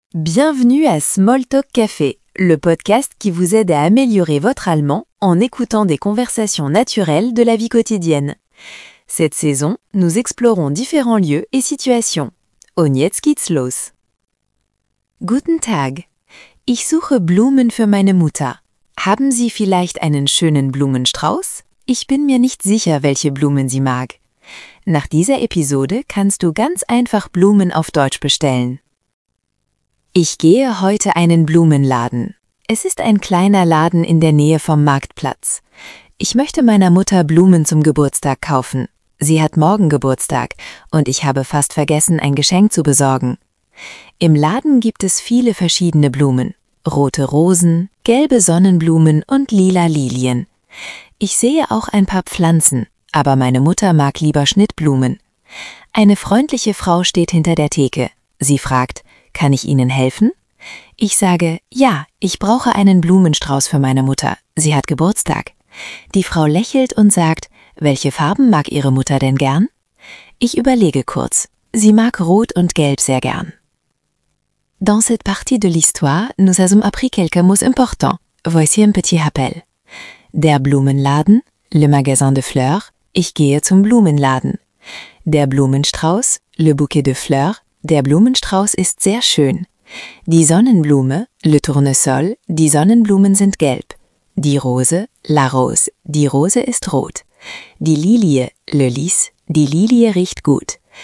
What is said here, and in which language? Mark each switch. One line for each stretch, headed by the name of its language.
French: Bienvenue à Small Talk Café, le podcast qui vous aide à améliorer votre allemand en écoutant des conversations naturelles de la vie quotidienne. Cette saison, nous explorons différents lieux et situations.
German: Und jetzt geht's los. Guten Tag. Ich suche Blumen für meine Mutter. Haben Sie vielleicht einen schönen Blumenstrauß? Ich bin mir nicht sicher, welche Blumen sie mag. Nach dieser Episode kannst du ganz einfach Blumen auf Deutsch bestellen. Ich gehe heute einen Blumenladen. Es ist ein kleiner Laden in der Nähe vom Marktplatz. Ich möchte meiner Mutter Blumen zum Geburtstag kaufen. Sie hat morgen Geburtstag und ich habe fast vergessen, ein Geschenk zu besorgen. Im Laden gibt es viele verschiedene Blumen. Rote Rosen, gelbe Sonnenblumen und lila Lilien. Ich sehe auch ein paar Pflanzen, aber meine Mutter mag lieber Schnittblumen. Eine freundliche Frau steht hinter der Theke. Sie fragt, kann ich Ihnen helfen? Ich sage, ja, ich brauche einen Blumenstrauß für meine Mutter. Sie hat Geburtstag. Die Frau lächelt und sagt, welche Farben mag Ihre Mutter denn gern? Ich überlege kurz. Sie mag Rot und Gelb sehr gern.
French: Dans cette partie de l'histoire, nous avons appris quelques mots importants. Voici un petit rappel.
German: Der Blumenladen,
French: le magasin de fleurs,
German: ich gehe zum Blumenladen. Der Blumenstrauß,
French: le bouquet de fleurs,
German: der Blumenstrauß ist sehr schön. Die Sonnenblume,
French: le tournesol,
German: die Sonnenblumen sind gelb. Die Rose,
French: la rose,
German: die Rose ist rot. Die Lilie,
French: le lys,
German: die Lilie riecht gut.